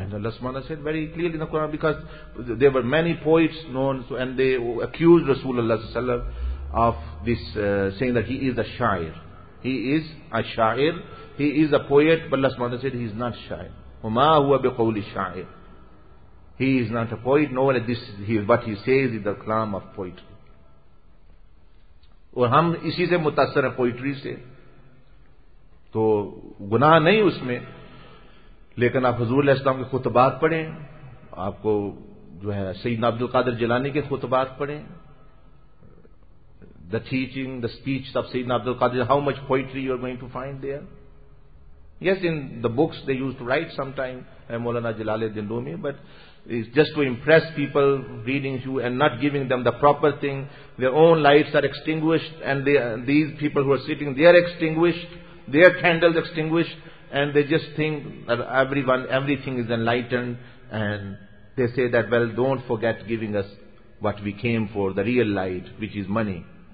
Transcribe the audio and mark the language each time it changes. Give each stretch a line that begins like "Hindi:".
English: And Allah subhanahu said very clearly in the Quran, because there were many poets known, so, and they accused Rasulullah sallam of this, saying that he is a shair. He is a shair, he is a poet, but Allah subhanahu said he is not shair.
Arabic: وَمَا هُوَ بِقَوْلِ الشَّاعِرِ.
English: He is not a poet, no, this is what he says is the kalam of poetry.
Urdu: اور ہم اسی سے متاثر ہیں poetry سے, تو گناہ نہیں اس میں, لیکن آپ حضور علیہ السلام کے خطبات پڑھیں, آپ کو جو ہے سیدنا عبدالقادر جلانی کے خطبات پڑھیں,
English: the teaching, the speech of سیدنا Abdul Qadir, how much poetry you are going to find there. Yes, in the books they used to write sometime, Maulana Jalaluddin Rumi, but it's just to impress people reading you and not giving them the proper thing. Their own lights are extinguished, and these people who are sitting, they are extinguished, their candles extinguished, and they just think that everything is enlightened, and they say that, well, don't forget giving us what we came for, the real light, which is money.